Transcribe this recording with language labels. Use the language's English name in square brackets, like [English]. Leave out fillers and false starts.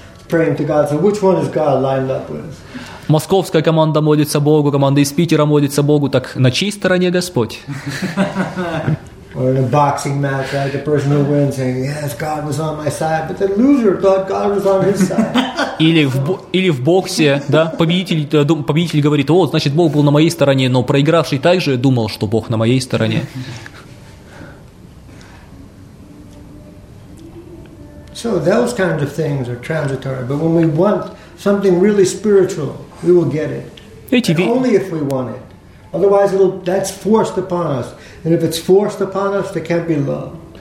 [English] Praying to God. So which one is God lined up with? [Russian] Московская команда молится Богу, команда из Питера молится Богу. Так на чьей стороне Господь? [English] Or in a boxing match, right? The person who wins saying, "Yes, God was on my side," but the loser thought God was on his side. [Russian] Или в боксе, да, победитель говорит: "О, значит, Бог был на моей стороне", но проигравший также думал, что Бог на моей стороне. [English] So those kinds of things are transitory, but when we want something really spiritual, we will get it. And only if we want it. Otherwise, that's forced upon us. And if it's forced upon us, there can't be love.